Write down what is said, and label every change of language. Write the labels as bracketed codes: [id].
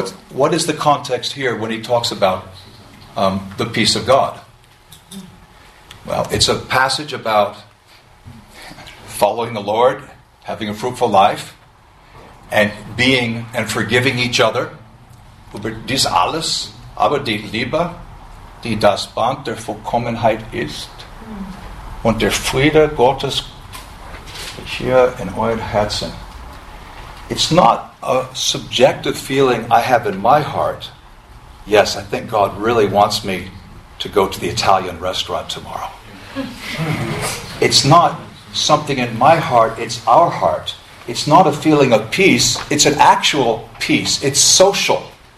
[en] What is the context here when he talks about the peace of God? Well, it's a passage about following the Lord, having a fruitful life, and being and forgiving each other. [de] Über dies alles, aber die Liebe, die das Band der Vollkommenheit ist, und der Friede Gottes hier in euer Herzen. [en] It's not a subjective feeling I have in my heart. Yes, I think God really wants me to go to the Italian restaurant tomorrow. It's not something in my heart, it's our heart It's not a feeling of peace. It's an actual peace. It's social.